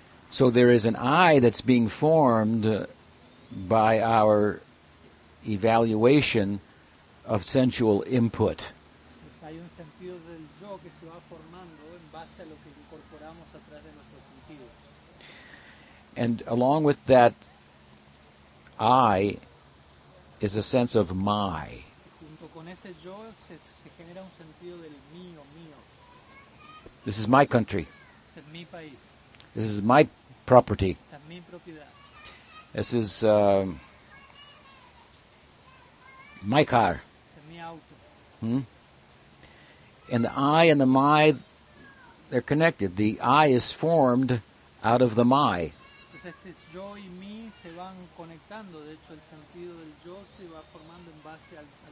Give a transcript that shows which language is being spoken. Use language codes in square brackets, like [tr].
[en] So there is an I that's being formed by our evaluation of sensual input. [es] Hay un sentido del yo que se va formando en base a lo que incorporamos a través de nuestros sentidos. [en] And along with that I is a sense of my. [es] Ese yo se genera un sentido del mío, mío. [en] This is my country. [es] Este es mi país. [en] This is my property. [es] Esta es mi propiedad. [en] This is my car. [es] Este es mi auto. [en] And the I and the my, they're connected. The I is formed out of the my. [es] Pues este es yo y mí se van conectando. De hecho, el sentido del yo se va formando en base al...